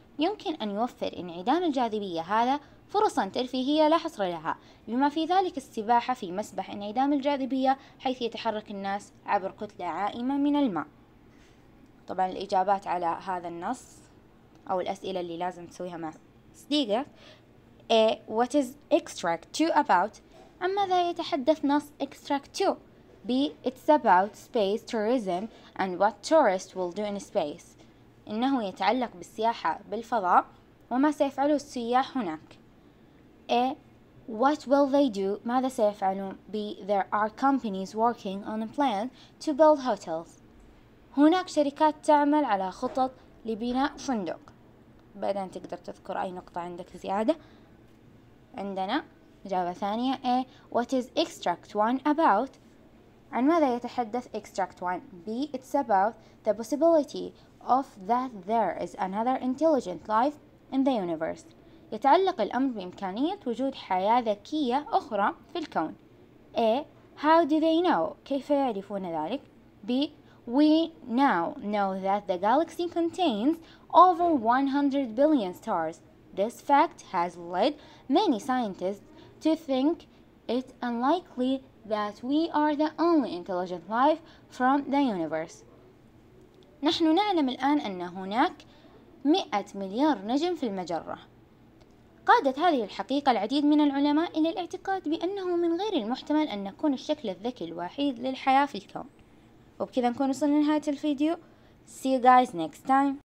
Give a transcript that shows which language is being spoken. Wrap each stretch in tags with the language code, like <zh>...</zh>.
<ar>يمكن أن يوفر انعدام الجاذبية هذا فرصا ترفيهية لا حصر لها، بما في ذلك السباحة في مسبح انعدام الجاذبية حيث يتحرك الناس عبر كتلة عائمة من الماء. طبعا الإجابات على هذا النص أو الأسئلة اللي لازم تسويها مع صديقك: A.</ar> <en>What is extract 2 about? عن ماذا يتحدث نص extract 2؟ B. It's about space tourism and what tourists will do in space.</en> <ar>إنه يتعلق بالسياحة بالفضاء وما سيفعله السياح هناك. A. What will they do?</ar> <en>ماذا سيفعلون?</en> <ar>B.</ar> <en>There are companies working on a plan to build hotels.</en> <ar>هناك شركات تعمل على خطط لبناء فندق. بعدين تقدر تذكر أي نقطة عندك زيادة. عندنا إجابة ثانية A.</ar> <en>What is extract one about?</en> <ar>عن ماذا يتحدث extract one?</ar> <en>B. It's about the possibility of that there is another intelligent life in the universe.</en> <ar>يتعلق الأمر بإمكانية وجود حياة ذكية أخرى في الكون.</ar> <en>A. How do they know? كيف يعرفون ذلك? B. We now know that the galaxy contains over 100 billion stars. This fact has led many scientists to think it unlikely that we are the only intelligent life from the universe.</en> <ar>نحن نعلم الآن أن هناك 100 مليار نجم في المجرة. قادت هذه الحقيقة العديد من العلماء إلى الاعتقاد بأنه من غير المحتمل أن نكون الشكل الذكي الوحيد للحياة في الكون. وبكذا نكون وصلنا لنهاية الفيديو. See you guys next time.</ar>